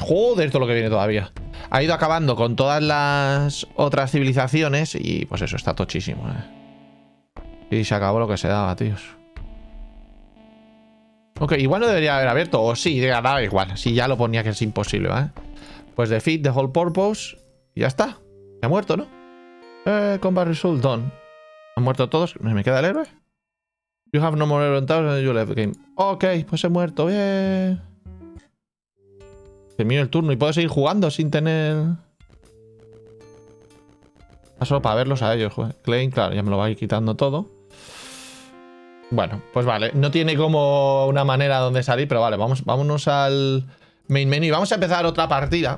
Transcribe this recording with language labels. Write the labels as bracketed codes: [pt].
[es] ¡Joder, todo lo que viene todavía! Ha ido acabando con todas las otras civilizaciones y pues eso, está tochísimo, ¿eh? Y se acabó lo que se daba, tíos. Ok, igual no debería haber abierto. O sí, ya daba igual. Si ya lo ponía que es imposible, ¿eh? [en] Pues defeat the whole purpose. [es] Y ya está. Ya ha muerto, ¿no? [en] Combat result done. [es] Han muerto todos. ¿Me queda el héroe? [en] You have no more heroes in your left game. [es] Ok, pues he muerto. Bien. Termino el turno. Y puedo seguir jugando sin tener... Paso para verlos a ellos, joder. Klein, claro, ya me lo va a ir quitando todo. Bueno, pues vale. No tiene como una manera donde salir, pero vale, vamos, vámonos al main menu y vamos a empezar otra partida.